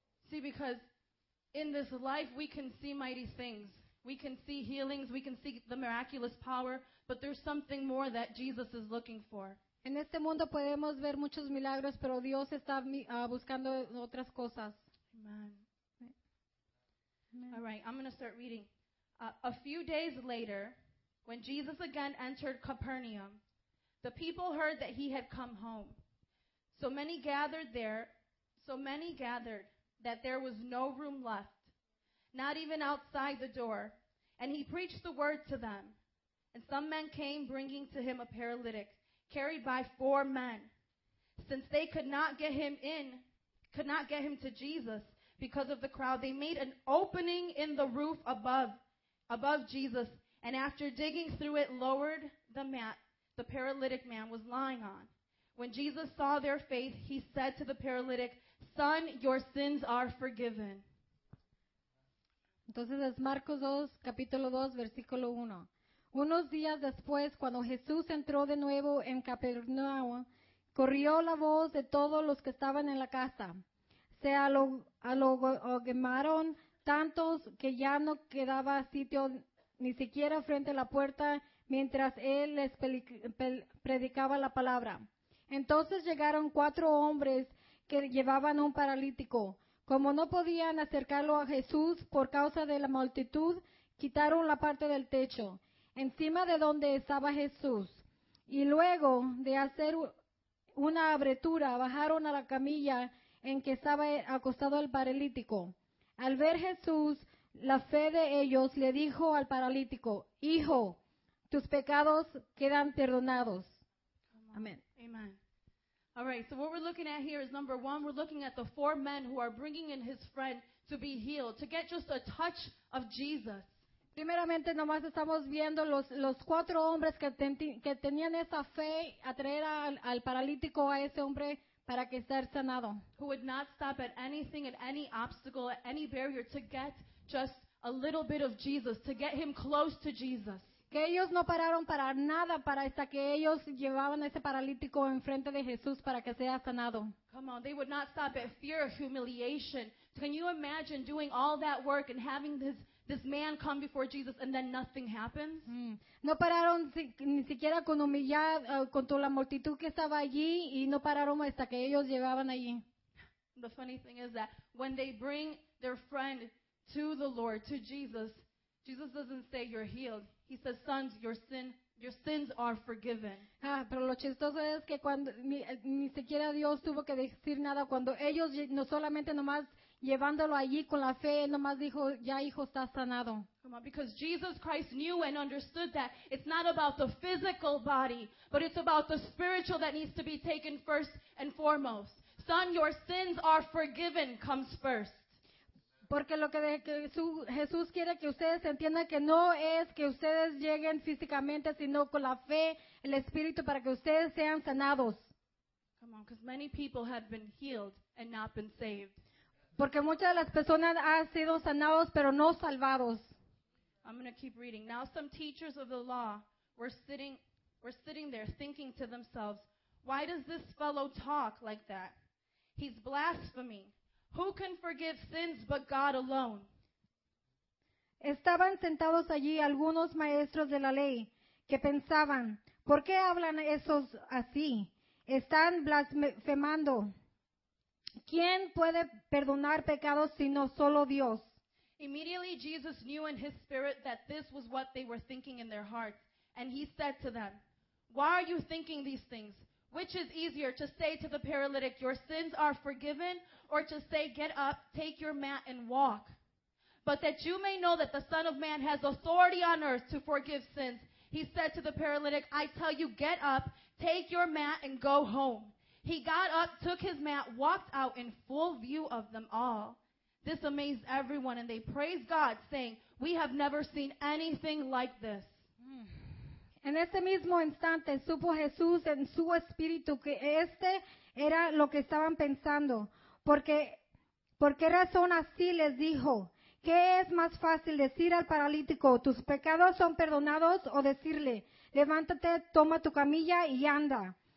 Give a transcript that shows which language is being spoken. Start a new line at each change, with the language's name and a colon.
English: See, because in this life we can see mighty things. We can see healings, we can see the miraculous power, but there's something more that Jesus is looking for.
Spanish: En este mundo podemos ver muchos milagros, pero Dios está buscando otras cosas. Amen.
English: All right, I'm going to start reading. A few days later, when Jesus again entered Capernaum, the people heard that he had come home. So many gathered that there was no room left, not even outside the door. And he preached the word to them. And some men came bringing to him a paralytic, carried by four men. Since they could not get him to Jesus because of the crowd, they made an opening in the roof above Jesus. And after digging through it, lowered the mat the paralytic man was lying on. When Jesus saw their faith, he said to the paralytic, "Son, your sins are forgiven."
Spanish: Entonces es Marcos 2, capítulo 2, versículo 1. Unos días después, cuando Jesús entró de nuevo en Capernaum, corrió la voz de todos los que estaban en la casa. Se alogaron tantos que ya no quedaba sitio ni siquiera frente a la puerta mientras él les predicaba la palabra. Entonces llegaron cuatro hombres que llevaban un paralítico. Como no podían acercarlo a Jesús por causa de la multitud, quitaron la parte del techo, encima de donde estaba Jesús. Y luego de hacer una abertura, bajaron a la camilla en que estaba acostado el paralítico. Al ver Jesús, la fe de ellos le dijo al paralítico, "Hijo, tus pecados quedan perdonados." Amén. Amén.
English: All right, so what we're looking at here is, number one, we're looking at the four men who are bringing in his friend to be healed, to get just a touch of Jesus.
Spanish: Primeramente, nomás estamos viendo los cuatro hombres que tenían esa fe a traer al paralítico a ese hombre para que ser sanado.
English: Who would not stop at anything, at any obstacle, at any barrier to get just a little bit of Jesus, to get him close to Jesus.
Spanish: Que ellos no pararon para nada para hasta que ellos llevaban a ese paralítico enfrente de Jesús para que sea sanado.
English: Come on, they would not stop at fear of humiliation. Can you imagine doing all that work and having this man come before Jesus and then nothing happens?
Spanish: No pararon ni siquiera con humillar con toda la multitud que estaba allí y no pararon hasta que ellos llegaban allí.
English: The funny thing is that when they bring their friend to the Lord, to Jesus, Jesus doesn't say you're healed. He says, "Sons, your sins are forgiven."
Spanish: Ah, pero lo chistoso es que cuando ni siquiera Dios tuvo que decir nada cuando ellos no solamente nomás llevándolo allí con la fe, nomás dijo, "Ya hijo, está sanado."
English: Come on, because Jesus Christ knew and understood that it's not about the physical body, but it's about the spiritual that needs to be taken first and foremost. "Son, your sins are forgiven" comes first.
Spanish: Porque lo que Jesús quiere que ustedes entiendan que no es que ustedes lleguen físicamente, sino con la fe, el Espíritu, para que ustedes sean sanados.
English: Come on, 'cause many people have been healed and not been saved.
Spanish: Porque muchas de las personas han sido sanados, pero no salvados.
English: I'm going to keep reading. "Now some teachers of the law were sitting there thinking to themselves, 'Why does this fellow talk like that? He's blaspheming. Who can forgive sins but God alone?'"
Spanish: Estaban sentados allí algunos maestros de la ley que pensaban, ¿por qué hablan esos así? Están blasfemando. ¿Quién puede perdonar pecados sino solo Dios?
English: Immediately Jesus knew in his spirit that this was what they were thinking in their hearts, and he said to them, "Why are you thinking these things? Which is easier, to say to the paralytic, 'Your sins are forgiven,' or to say, 'Get up, take your mat, and walk'? But that you may know that the Son of Man has authority on earth to forgive sins, he said to the paralytic, 'I tell you, get up, take your mat, and go home.' He got up, took his mat, walked out in full view of them all. This amazed everyone, and they praised God, saying, 'We have never seen anything like this.'"
Spanish: En ese mismo instante supo Jesús en su espíritu que este era lo que estaban pensando. ¿Por qué razón así les dijo? ¿Qué es más fácil decir al paralítico, tus pecados son perdonados, o decirle, levántate, toma tu camilla y anda?